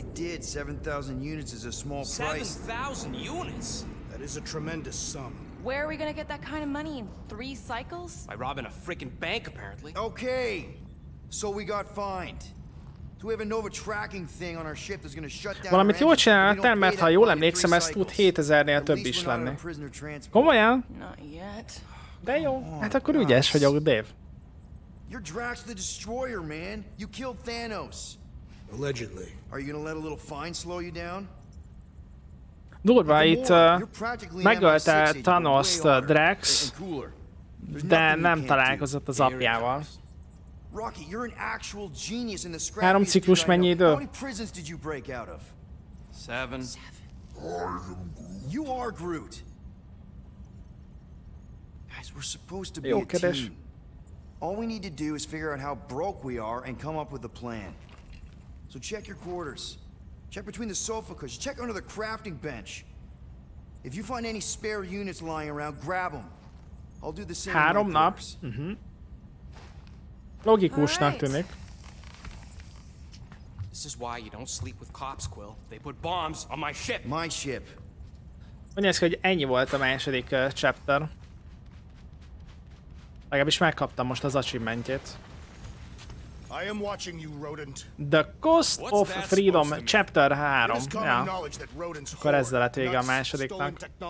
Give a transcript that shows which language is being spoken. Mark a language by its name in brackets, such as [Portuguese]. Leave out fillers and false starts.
[English] I did. 7000 units is a small price. 7000 units? That is a tremendous sum. Where are we gonna get that kind of money in 3 cycles? By robbing a freaking bank, apparently. Okay, so we got fined. So we have a Nova tracking thing on our ship that's gonna shut down. [Hungarian] Valamit jól csináltál, mert ha jól emlékszem, ez tud 7000-nél több is lenni. Komolyan? [English] Not yet. [Hungarian] De jó. Hát akkor ügyes vagyok, Dave. [English] You're Drax the Destroyer, man. You killed Thanos. Allegedly. Are you gonna let a little fine slow you down? [Hungarian] Durva, itt megölte Thanos-t Drax, de nem találkozott az apjával. 3 ciklus mennyi idő? 7. [English] You are Groot. Guys, we're supposed to be a team. All we need to do is figure out how broke we are and come up with a plan. So check your quarters. Check between the sofa cushions. Check under the crafting bench. If you find any spare units lying around, grab them. I'll do the same. [Hungarian] 3 nap. Logikusnak tűnik. [English] This is why you don't sleep with cops, Quill. They put bombs on my ship. My ship. [Hungarian] Mondják, hogy ennyi volt a második chapter. Legalábbis megkaptam most az achievementjét. [English] I am watching you, rodent. The Cost of Freedom, Chapter 3. Ja. [Hungarian] Akkor ezzel lett vége a másodiknak.